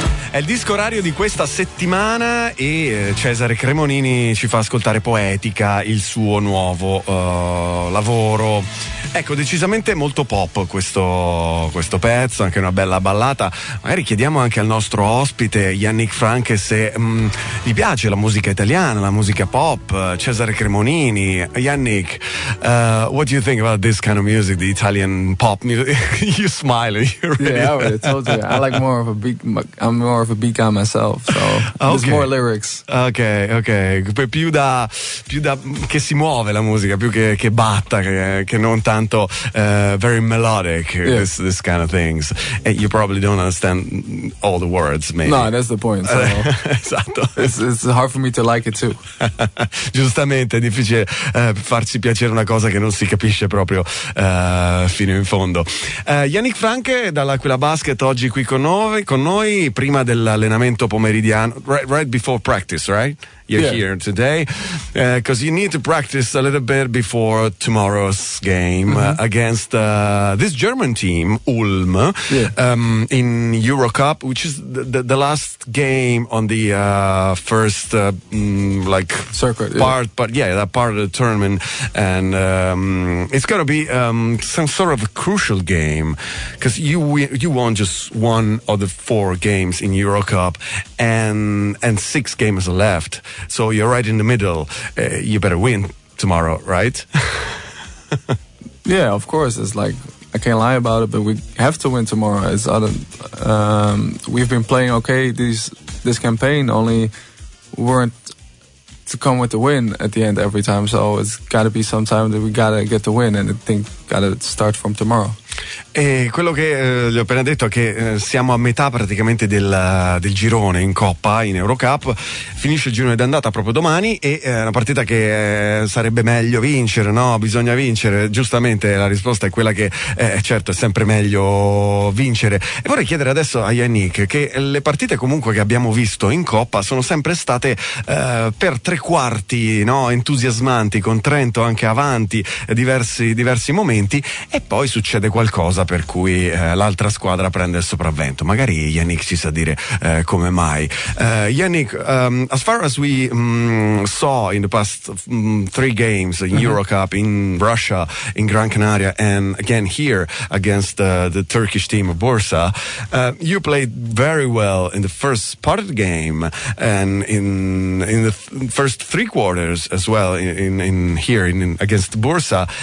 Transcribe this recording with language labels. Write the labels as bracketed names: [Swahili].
[Italian] È il disco orario di questa settimana e Cesare Cremonini ci fa ascoltare Poetica, il suo nuovo lavoro. Ecco, decisamente molto pop questo pezzo, anche una bella ballata. Magari chiediamo anche al nostro ospite Yannick Franke se gli piace la musica italiana, la musica pop. [English] Cesare Cremonini, Yannick, what do you think about this kind of music, the Italian pop music? You smile. Yeah, I told you. I'm more of a beat guy myself, so okay. There's more lyrics. Okay. [Italian] Più da che si muove la musica, più che batta, che non tanto [English] very melodic. Yeah. This kind of things. And you probably don't understand all the words, maybe. No, that's the point. So. [Italian] Esatto. [English] It's hard for me to like it too. [Italian] Giustamente, è difficile farci piacere una cosa che non si capisce proprio fino in fondo. Yannick Franke dall'Aquila Basket oggi qui con noi prima del l'allenamento pomeridiano, [English] right before practice, right? You're here today because you need to practice a little bit before tomorrow's game against this German team, Ulm, in Eurocup, which is the last game on the first like circuit part. Yeah. But yeah, that part of the tournament, and it's going to be some sort of a crucial game because you won just one of the four games in Eurocup, and six games left. So you're right in the middle. You better win tomorrow, right? Yeah, of course. It's like, I can't lie about it, but we have to win tomorrow. It's other, we've been playing okay this campaign, only we weren't to come with the win at the end every time. So it's got to be some time that we got to get the win, and I think got to start from tomorrow. [Italian] E quello che gli ho appena detto è che siamo a metà praticamente del girone in Coppa, in Eurocup. Finisce il girone d'andata proprio domani e è una partita che sarebbe meglio vincere, no? Bisogna vincere. Giustamente la risposta è quella che certo è sempre meglio vincere. E vorrei chiedere adesso a Yannick che le partite comunque che abbiamo visto in Coppa sono sempre state per tre quarti, no? Entusiasmanti, con Trento anche avanti, diversi momenti, e poi succede qualcosa per cui l'altra squadra prende il sopravvento. Magari Yannick ci sa dire come mai. [English] Yannick, as far as we saw in the past three games in Eurocup, in Russia, in Gran Canaria, and again here against the Turkish team of Bursa, you played very well in the first part of the game and in the first three quarters as well in here against Bursa.